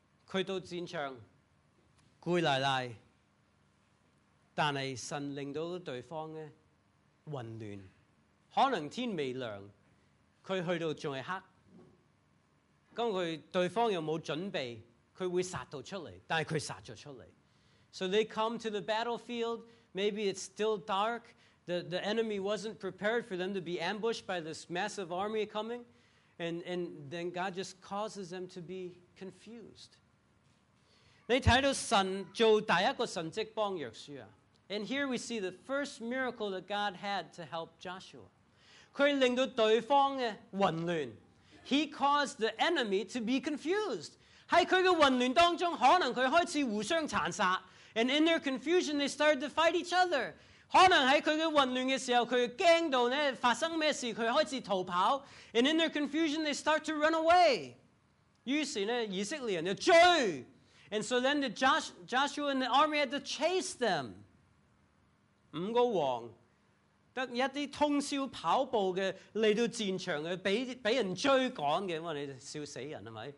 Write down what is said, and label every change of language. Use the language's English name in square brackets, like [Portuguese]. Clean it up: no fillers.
[Cantonese] 去到战场，攰赖赖，但系神令到对方咧混乱，可能天未亮，佢去到仲系黑，咁佢对方又冇准备，佢会杀到出嚟，但系佢杀咗出嚟。 [English] So they come to the battlefield, maybe it's still dark, the enemy wasn't prepared for them to be ambushed by this massive army coming, and then God just causes them to be confused. [Cantonese] 你看到神做第一个神迹帮约书亚。 [English] And here we see the first miracle that God had to help Joshua. [Cantonese] 佢令到对方嘅混乱。 [English] He caused the enemy to be confused. [Cantonese] 喺佢嘅混乱当中，可能佢开始互相残杀。 [English] And in their confusion, they started to fight each other. [Cantonese] 可能喺佢嘅混乱嘅时候，佢惊到咧发生咩事，佢开始逃跑。 [English] And in their confusion, they start to run away. [Cantonese] 于是咧，以色列人就追。 [English] And so then the Joshua and the army had to chase them. [Cantonese] 五个王得一啲通宵跑步嘅嚟到战场嘅，俾人追赶嘅，因为你笑死人系咪？